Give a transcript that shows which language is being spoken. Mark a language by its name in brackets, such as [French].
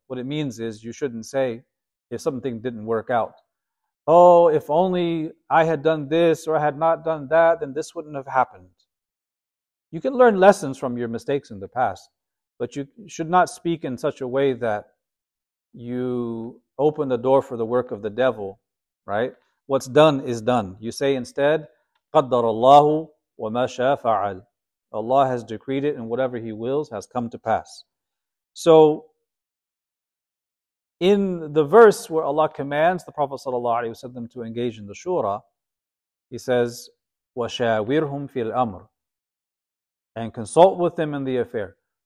[English] What it means is you shouldn't say if something didn't work out, oh, if only I had done this or I had not done that, then this wouldn't have happened. You can learn lessons from your mistakes in the past, but you should not speak in such a way that you open the door for the work of the devil, right? What's done is done. You say instead, [Arabic] قَدَّرَ اللَّهُ وَمَا شَاءَ فَعَلَ. [English] Allah has decreed it and whatever He wills has come to pass. So, in the verse where Allah commands the Prophet sallallahu alaihi wasallam to engage in the shura, He says, [Arabic] وَشَاوِرْهُمْ فِي الْأَمْرِ, [English] and consult with them in the affair.